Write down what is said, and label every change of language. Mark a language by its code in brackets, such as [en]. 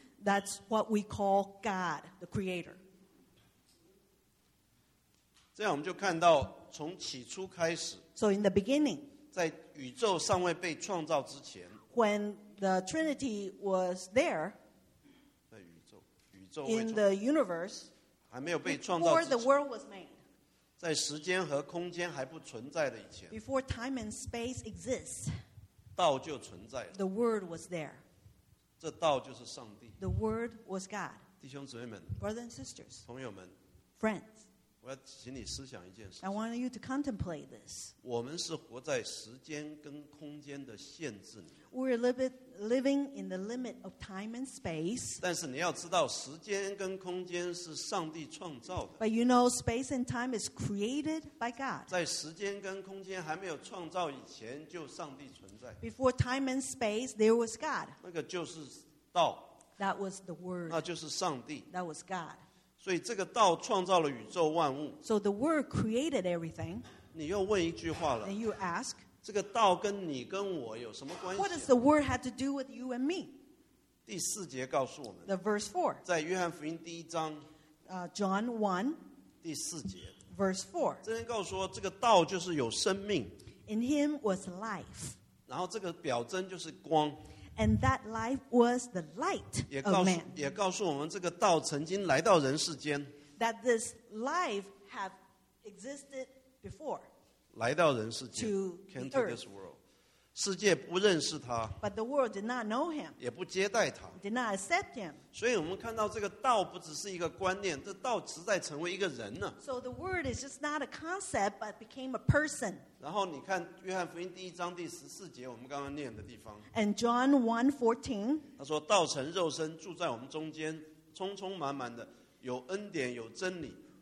[en] That's what we call God, the creator. [zh] 这样我们就看到, 从起初开始, [en] so in the beginning, [zh] 在宇宙尚未被创造之前, [en] when the Trinity was there, [zh] 在宇宙, 宇宙未创, [en] in the universe, [zh] 还没有被创造之前, [en] before the world was made, [zh] 在时间和空间还不存在的以前, [en] before time and space exist, [zh] 道就存在了, [en] the Word was there. [zh] 这道就是上帝, [en] the Word was God. [zh] 弟兄姊妹们, [en] brothers and sisters, [zh] 朋友们, [en] friends, [zh] 我要请你思想一件事情。 [en] I want you to contemplate this. [zh] 我们是活在时间跟空间的限制里。 [en] We're living in the limit of time and space. [zh] 但是你要知道时间跟空间是上帝创造的。 [en] But you know space and time is created by God. [zh] 在时间跟空间还没有创造以前就上帝存在。 [en] Before time and space, there was God. [zh] 那个就是道。 [en] That was the word. [zh] 那就是上帝。 [en] That was God. [zh] 所以这个道创造了宇宙万物。 [en] So the word created everything. [zh] 你又问一句话了。 [en] And you ask, [zh] 这个道跟你跟我有什么关系? [en] What does the word have to do with you and me? [zh] 第四节告诉我们。 [en] The verse 4. [zh] 在约翰福音第一章, [en] John 1. [zh] 第四节, [en] verse 4. [zh] 这边告诉我, 这个道就是有生命。 [en] In him was life. [zh] 然后这个表征就是光。 [en] And that life was the light of man. [zh] 也告诉我们这个道曾经来到人世间。 [en] That this life have existed before. [zh] 来到人世间。 [en] To the earth. This world. [zh] 世界不认识他, [en] but the world did not know him. [zh] 也不接待他, [en] did not accept him. [zh] 所以我们看到这个道不只是一个观念, 这道实在成为一个人了。 [en] So the word is just not a concept, but became a person. [zh] 然后你看约翰福音第一章第十四节, 我们刚刚念的地方, [en] and John 1:14, [zh] 他说, 道成肉身, 住在我们中间, 充满的, 有恩典, 有真理。